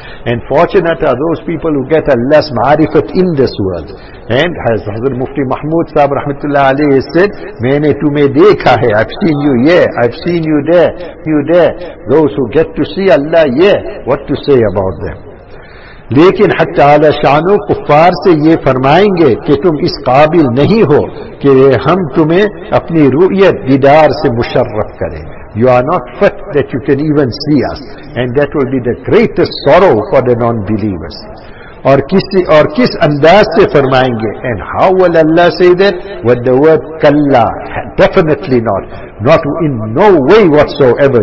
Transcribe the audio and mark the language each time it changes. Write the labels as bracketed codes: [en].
[en] And fortunate are those people who get Allah's ma'rifat in this world. And as Hazrat Mufti Mahmood Sahib Rahmatullah Alayhi said, [ur] Maine tume dekha hai, [en] I've seen you here, I've seen you there. Those who get to see Allah, yeah, what to say about them? [ur] لیکن حق تعالی شان و کفار سے یہ فرمائیں گے کہ تم اس قابل نہیں ہو کہ ہم تمہیں اپنی رؤیت دیدار سے مشرف کریں. [en] You are not fit that you can even see us, and that will be the greatest sorrow for the non-believers. [ur] اور کس انداز سے فرمائیں گے, [en] and how will Allah say that? With the word kalla, definitely not. Not in no way whatsoever.